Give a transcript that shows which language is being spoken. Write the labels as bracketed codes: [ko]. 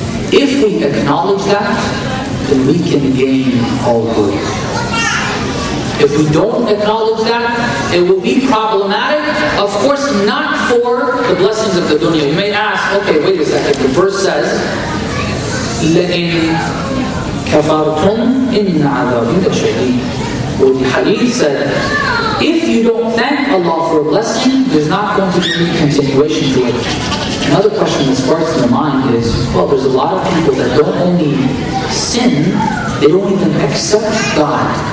[en] If we acknowledge that, then we can gain all good. If we don't acknowledge that, it will be problematic. Of course, not for the blessings of the dunya. You may ask, okay, wait a second. [ar] The verse says, لَإِن كَفَرْتُمْ إِنَّ عَذَابِ لَشَدِيدٌ. [en] Well, the hadith said, if you don't thank Allah for a blessing, there's not going to be any continuation to it. Another question that sparks in the mind is, well, there's a lot of people that don't only sin, they don't even accept God.